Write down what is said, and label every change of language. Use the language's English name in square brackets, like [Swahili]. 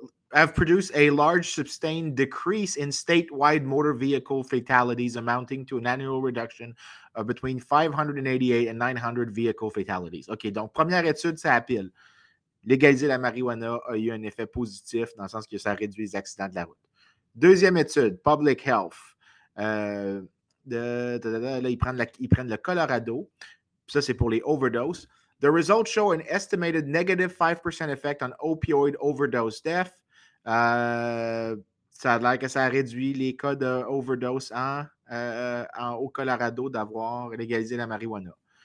[English] Have produced a large sustained decrease in statewide motor vehicle fatalities amounting to an annual reduction of between 588 and 900 vehicle fatalities. [French] OK, donc première étude, ça appile. Légaliser la marijuana a eu un effet positif dans le sens que ça réduit les accidents de la route. Deuxième étude, public health. Ils prennent le Colorado. Ça, c'est pour les overdoses. [English] The results show an estimated negative 5% effect on opioid overdose death. [French] Ça a l'air que ça a réduit les cas d'overdose au Colorado d'avoir légalisé la marijuana.